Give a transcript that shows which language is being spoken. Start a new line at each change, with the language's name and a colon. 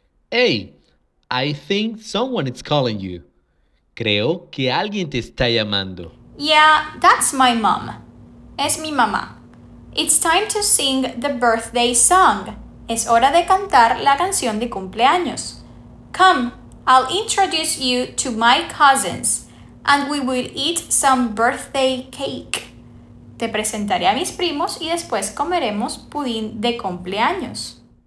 English: Hey, I think someone is calling you.
Spanish: Creo que alguien te está llamando.
English: Yeah, that's my mom.
Spanish: Es mi mamá.
English: It's time to sing the birthday song.
Spanish: Es hora de cantar la canción de cumpleaños.
English: Come, I'll introduce you to my cousins and we will eat some birthday cake.
Spanish: Te presentaré a mis primos y después comeremos pudín de cumpleaños.